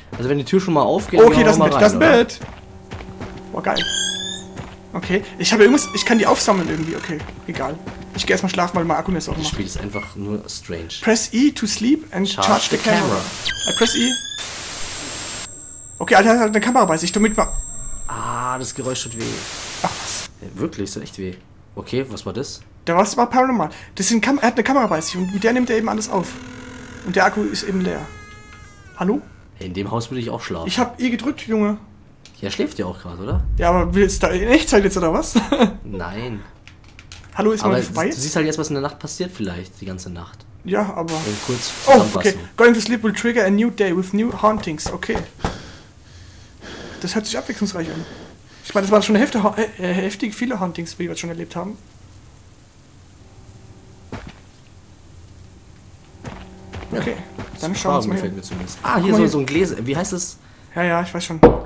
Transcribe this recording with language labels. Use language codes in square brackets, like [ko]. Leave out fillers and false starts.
[de] Also wenn die Tür schon mal aufgeht, okay, das Bett, das Bett. Boah, geil. Okay, ich habe irgendwas, ich kann die aufsammeln irgendwie, okay. Egal. Ich gehe erstmal schlafen, weil mein Akku mir ist auch noch. Das Spiel ist einfach nur strange. [en] Press E to sleep and charge the camera. I press E. [de] Okay, Alter, hat eine Kamera bei sich, du mit mal. Ah, das Geräusch tut weh. Ach, was? Wirklich, ist echt weh. Okay, was war das? Das war paranormal. Er hat eine Kamera bei sich und mit der nimmt er eben alles auf. Und der Akku ist eben leer. Hallo? In dem Haus würde ich auch schlafen. Ich hab E gedrückt, Junge. Ja, schläft ja auch gerade, oder? Ja, aber willst du da in Echtzeit jetzt, oder was? Nein. Hallo, ist mal vorbei? Du siehst halt jetzt, was in der Nacht passiert vielleicht, die ganze Nacht. Ja, aber... Und kurz oh, okay. [en] Going to sleep will trigger a new day with new hauntings. [de] Okay. Das hört sich abwechslungsreich an. Ich meine, das waren schon heftig viele Hauntings, wie wir jetzt schon erlebt haben. Okay, dann schauen wir uns mal hin. Mir zumindest. Ah, hier ist so ein Gläser. Wie heißt das? Ja, ja, ich weiß schon.